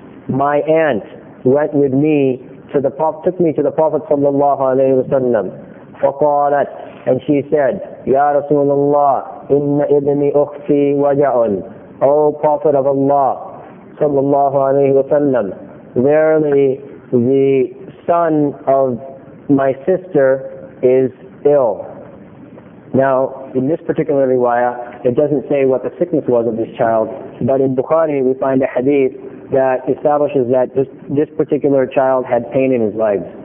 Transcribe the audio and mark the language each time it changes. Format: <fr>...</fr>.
<en>My aunt went with me to the Prophet, took me to the Prophet صلى الله عليه وسلم.</en> <ar>فقالت,</ar> <en>and she said,</en> <ar>يا رسول الله إن ابني أختي وجع.</ar> <en>O Prophet of Allah صلى الله عليه وسلم, verily the son of my sister is ill. Now, in this particular riwayah, it doesn't say what the sickness was of this child, but in Bukhari we find a hadith that establishes that this particular child had pain in his legs.</en>